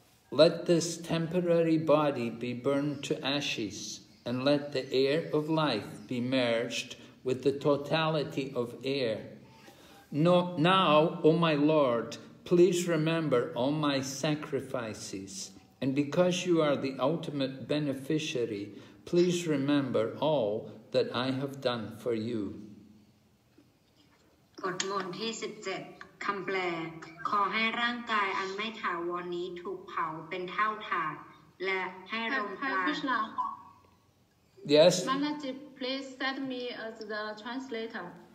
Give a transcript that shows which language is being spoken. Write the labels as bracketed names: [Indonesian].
[English] Let this temporary body be burned to ashes, and let the air of life be merged with the totality of air. Now, O my Lord, please remember all my sacrifices, and because you are the ultimate beneficiary, please remember all that I have done for you. [Thai] บทที่17 คำแปลขอให้ร่างกายอันไม่ถาวรนี้ถูกเผาเป็นเท่าฐานและให้ลมพัด [English] Yes. Manaji, please send me as the translator.